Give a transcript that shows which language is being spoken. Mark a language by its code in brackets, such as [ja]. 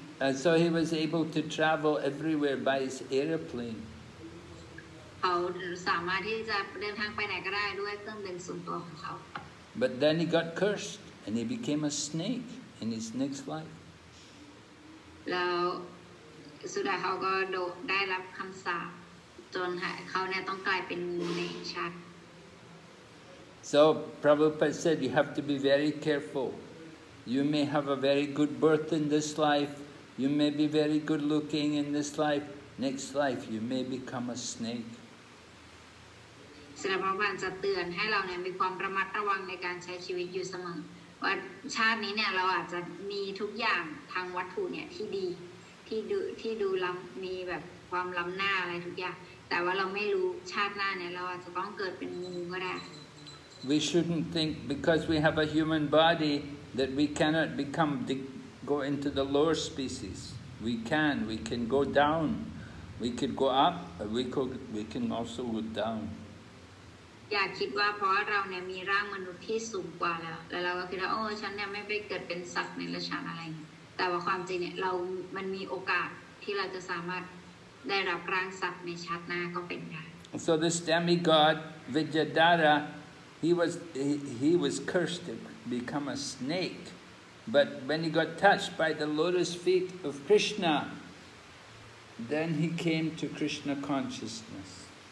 [en] And so he was able to travel everywhere by his aeroplane. [th] เขาสามารถที่จะเดินทางไปไหนก็ได้ด้วยเครื่องบินส่วนตัวของเขา [en] But then he got cursed and he became a snake in his next life. [th] แล้วสุดท้ายเขาก็ได้รับคำสาปจนเขาเนี่ยต้องกลายเป็นงูในชัด [en] So Prabhupada said you have to be very careful. You may have a very good birth in this life. You may be very good looking in this life. Next life you may become a snake. [th] สุดท้ายพระองค์จะเตือนให้เราเนี่ยมีความระมัดระวังในการใช้ชีวิตอยู่เสมอ ว่าชาตินี้เนี่ยเราอาจจะมีทุกอย่างทางวัตถุเนี่ยที่ดีที่ดูล้ำมีแบบความล้ำหน้าอะไรทุกอย่างแต่ว่าเราไม่รู้ชาติหน้าเนี่ยเราอาจจะต้องเกิดเป็นงูก็ได้ [en] We shouldn't think because we have a human body that we cannot become go into the lower species. We can go down. We could go up, or we can also go down. [th] อย่าคิดว่าเพราะเราเนี่ยมีร่างมนุษย์ที่สูงกว่าแล้วเราก็คิดว่าโอ้ฉันเนี่ยไม่ไปเกิดเป็นสัตว์ในระชั้นอะไรแต่ว่าความจริงเนี่ยเรามันมีโอกาสที่เราจะสามารถได้รับร่างสัตว์ในชาติหน้าก็เป็นได้ [en] So this demigod Vijayadara he was cursed to become a snake. But when he got touched by the lotus feet of Krishna, then he came to Krishna consciousness.